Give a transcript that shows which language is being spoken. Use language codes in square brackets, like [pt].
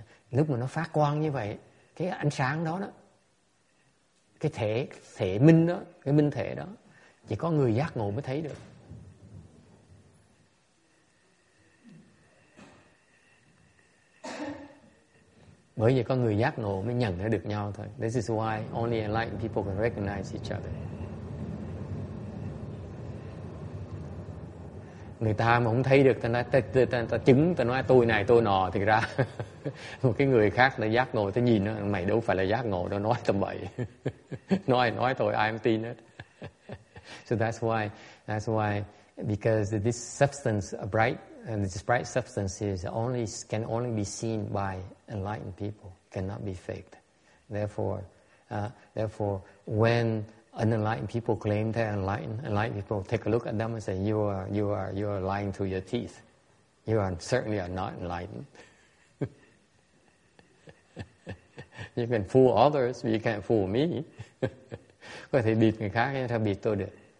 [vi] Lúc mà nó phát quang như vậy, cái ánh sáng đó, cái thể minh đó, cái minh thể đó, chỉ có người giác ngộ mới thấy được. Bởi vì có người giác ngộ mới nhận ra được nhau thôi. [en] This is why only enlightened people can recognize each other. [vi] Người ta mà không thấy được, ta chứng, ta nói tôi này, tôi nọ, thì ra một cái người khác là giác ngộ, ta nhìn nó, mày đâu phải là giác ngộ, nó nói tầm bậy. nói thôi, ai không tin hết. [en] So that's why, because this substance, a bright, and this bright substance can only be seen by enlightened people, cannot be faked. Therefore, when unenlightened people claim they're enlightened people take a look at them and say, you are lying through your teeth. You certainly are not enlightened. You can fool others, but you can't fool me. [vi] Có thể bịt người khác, nhưng ta bịt tôi được.